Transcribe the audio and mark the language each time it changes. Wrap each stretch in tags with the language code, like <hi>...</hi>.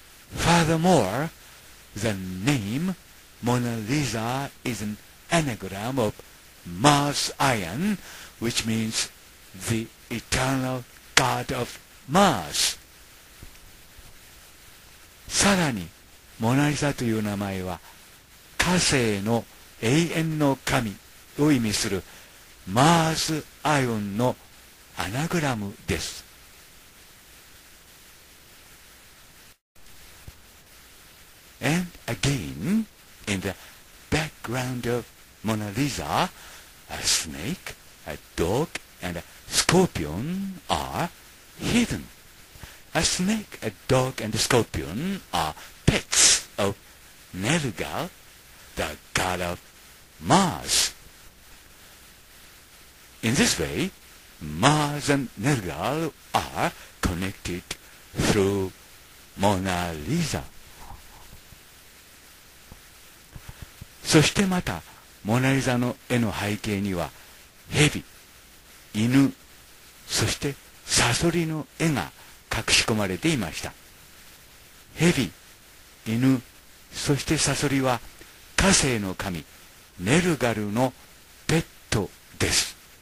<en>Furthermore, the name Mona Lisa is an anagram of Mars Iron, which means the eternal god of Mars.</en> <ja>さらに、モナリザという名前は火星の永遠の神を意味するマーズ・アイオンのアナグラムです。</ja> <en>And again, in the background of Mona Lisa, a snake, a dog, and a scorpion are hidden. A snake, a dog, and a scorpion are pets of Nerga, the god of Mars. In this way, Mars and Nerga are connected through Mona Lisa.</en> <ja>そしてまたモナリザの絵の背景には蛇、犬、そしてサソリの絵が隠し込まれていました。蛇、犬、そしてサソリは火星の神ネルガルのペットです。</ja>